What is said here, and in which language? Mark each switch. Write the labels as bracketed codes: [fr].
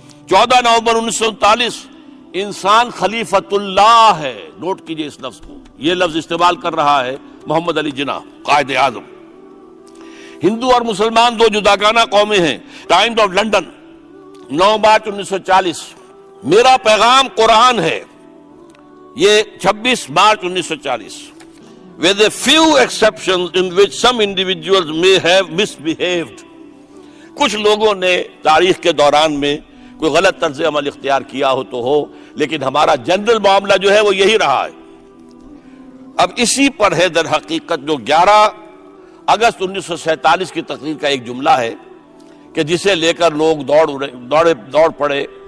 [ur] 14 نومبر 1939 انسان خلیفۃ اللہ ہے. نوٹ کیجئے اس لفظ کو, یہ لفظ استعمال کر رہا ہے محمد علی جناح قائد اعظم. ہندو اور مسلمان دو جداگانہ قومیں ہیں. ٹائمز آف لندن 9 مارچ 1940 میرا پیغام قرآن ہے. یہ 26 March 1940 [en] with a few exceptions in which some individuals may have misbehaved. [ur] کچھ لوگوں نے تاریخ کے دوران میں کوئی غلط طرز عمل اختیار کیا ہو تو ہو, لیکن ہمارا جنرل معاملہ جو ہے وہ یہی رہا ہے. اب اسی پر ہے در حقیقت جو 11 اگست 1947 کی تقریر کا ایک جملہ ہے کہ جسے لے کر لوگ دوڑ پڑے.